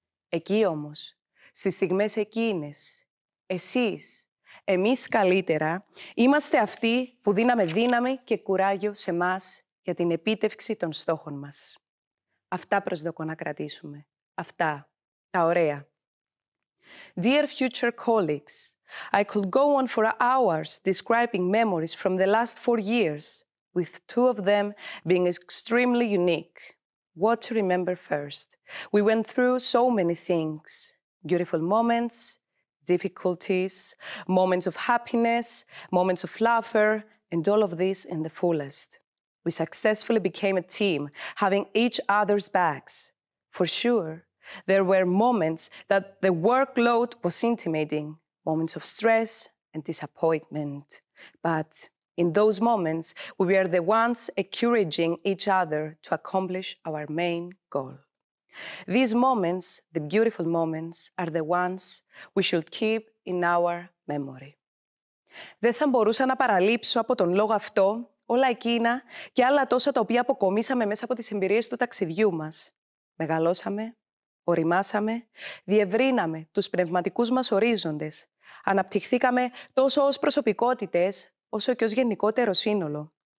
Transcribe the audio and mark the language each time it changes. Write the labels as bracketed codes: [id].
[el] Εκεί όμως, στις στιγμές εκείνες, εσείς, εμείς καλύτερα, είμαστε αυτοί που δίναμε δύναμη και κουράγιο σε μας για την επίτευξη των στόχων μας. Αυτά προσδοκώ να κρατήσουμε. Αυτά. Τα ωραία. [en] Dear future colleagues, I could go on for hours describing memories from the last 4 years, with two of them being extremely unique. What to remember first? We went through so many things. Beautiful moments, difficulties, moments of happiness, moments of laughter, and all of this in the fullest. We successfully became a team, having each other's backs. For sure, there were moments that the workload was intimidating, moments of stress and disappointment. But in those moments, we were the ones encouraging each other to accomplish our main goal. These moments, the beautiful moments, are the ones we should keep in our memory. [el] Δεν θα μπορούσα να παραλείψω από τον λόγο αυτό όλα εκείνα και άλλα τόσα τα οποία αποκομίσαμε μέσα από τις εμπειρίες του ταξιδιού μας. Μεγαλώσαμε, οριμάσαμε, διευρύναμε τους πνευματικούς μας ορίζοντες. Αναπτυχθήκαμε τόσο ως προσωπικότητες, όσο και ως γενικότερο σύνολο.